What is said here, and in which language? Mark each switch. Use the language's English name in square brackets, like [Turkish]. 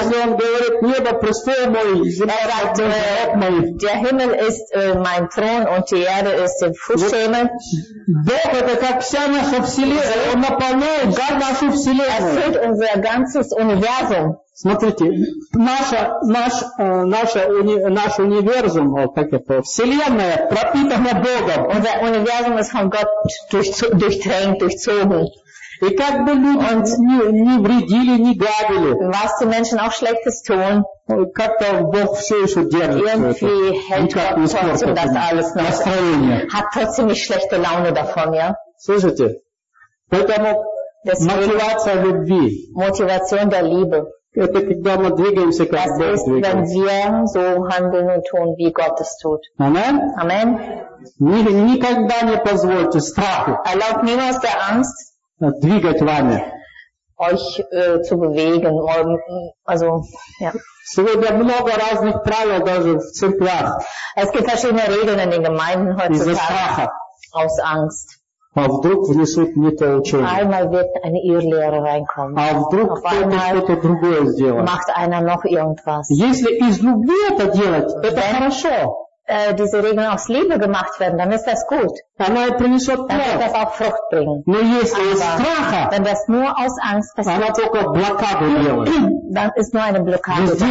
[Russian] Он говорит, небо престол мой, земля рабов моих. [German] Der Himmel ist mein Thron und die Erde ist der Fußschemel. [Russian] Бог это как вся наша вселенная, он наполняет как нашу вселенную. [German] Erfüllt unser ganzes Universum. [Russian] Смотрите, наш универсум, как это, вселенная пропитана Богом. [German] Unser Universum ist von Gott durchtränkt, durchzogen. [Russian] И как бы люди не вредили, не гадили. [German] Was die Menschen auch Schlechtes tun. [Russian] Как-то Бог все еще держит. [German] Irgendwie hält trotzdem das alles noch. [Russian] Настроение. [German] Hat trotzdem nicht schlechte Laune davon, ja? [Russian] Слышите? Поэтому мотивация любви. [German] Motivation der Liebe. [Russian] Это когда мы двигаемся, как Бог двигается. [German] Wenn wir so handeln und tun, wie Gott es tut. Amen. Amen. [Russian] Никогда не позвольте страху. [German] Erlaubt niemals der Angst. [Russian] Двигать вами. [German] Euch zu bewegen. Also, ja. [Russian] Сегодня много разных правил даже в церквях. [German] Es gibt verschiedene Regeln in den Gemeinden heutzutage. Aus Angst. [Russian] А вдруг внесут не то учение. [German] Einmal wird eine Irrlehre reinkommen. [Russian] А вдруг кто-то другое сделает. [German] Macht einer noch irgendwas. [Russian] Если из любви это делать, это хорошо. [German] Diese Regeln aus Liebe gemacht werden, dann ist das gut. Dann wird das auch Frucht bringen. Aber wenn das nur aus Angst passiert, dann ist nur eine Blockade.